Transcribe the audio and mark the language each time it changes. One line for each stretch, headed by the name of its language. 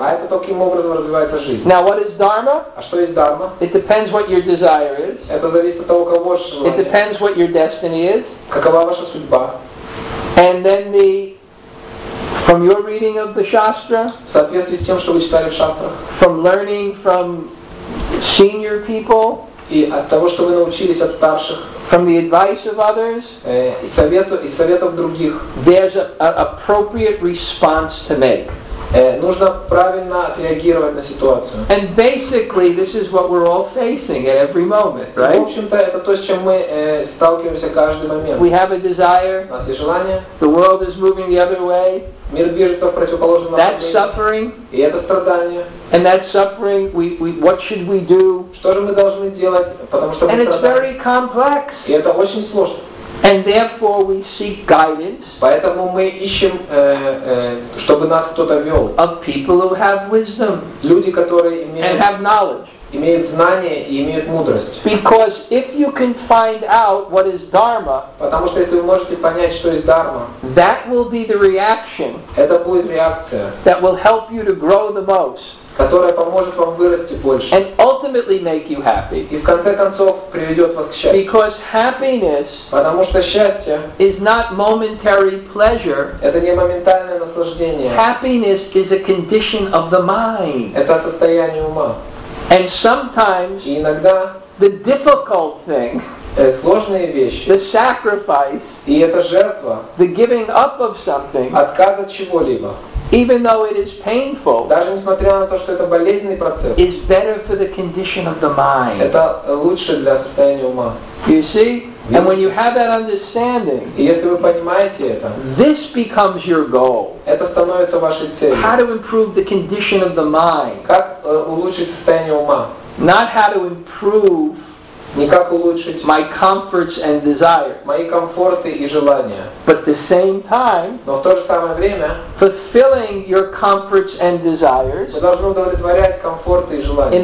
Russian: А это таким образом развивается жизнь.
English: Now what is dharma?
Russian: А что есть дхарма?
English: It depends what your desire is.
Russian: Это зависит от того, каково ваше желание.
English: It depends what your destiny is.
Russian: Какова ваша судьба?
English: And then the from your reading of the shastra.
Russian: В соответствии с тем, что вы читали в шастрах.
English: From learning from senior people.
Russian: И от того, что вы научились от старших.
English: From the advice of others,
Russian: из советов других,
English: there's an appropriate response to make.
Russian: Нужно правильно отреагировать на ситуацию.
English: And basically, this is what we're all facing at every moment, right?
Russian: В общем-то, это то, с чем мы сталкиваемся каждый момент.
English: We have a desire.
Russian: У нас есть желание.
English: The world is moving the other way.
Russian: Мир движется в противоположном направлении.
English: That's suffering.
Russian: И это страдание.
English: And that suffering, what should we do?
Russian: Что же мы должны делать, потому что мы страдаем?
English: And it's very complex.
Russian: И это очень сложно.
English: And therefore we seek guidance.
Russian: Поэтому мы ищем, чтобы нас кто-то вел.
English: Of people who have wisdom.
Russian: Люди, которые имеют.
English: And have knowledge.
Russian: Имеют знания и имеют мудрость.
English: Because if you can find out what is dharma.
Russian: Потому что если вы можете понять, что есть дхарма.
English: That will be the reaction.
Russian: Это будет реакция.
English: That will help you to grow the most.
Russian: Которая поможет вам вырасти больше.
English: And ultimately make you happy.
Russian: И в конце концов приведет вас к счастью.
English: Because happiness.
Russian: Потому что счастье.
English: Is not momentary pleasure.
Russian: Это не моментальное наслаждение.
English: Happiness is a condition of the mind.
Russian: Это состояние ума.
English: And sometimes.
Russian: И иногда.
English: The difficult thing.
Russian: Сложные вещи.
English: The sacrifice.
Russian: И это жертва.
English: The giving up of something.
Russian: Отказ от чего-либо.
English: Even though it is painful,
Russian: даже несмотря на то, что это болезненный процесс,
English: is better for the condition of the mind.
Russian: Это лучше для состояния ума.
English: You see?
Russian: Видите?
English: And when you have that understanding,
Russian: и если вы понимаете это,
English: this becomes your goal.
Russian: Это становится вашей целью.
English: How to improve the condition of the mind?
Russian: Как улучшить состояние ума?
English: Not how to improve.
Russian: Не как улучшить
English: my comforts and desire,
Russian: мои комфорты и желания.
English: But at the same time,
Russian: но в то же самое время,
English: fulfilling your comforts and desires,
Russian: мы должны удовлетворять комфорты и желания.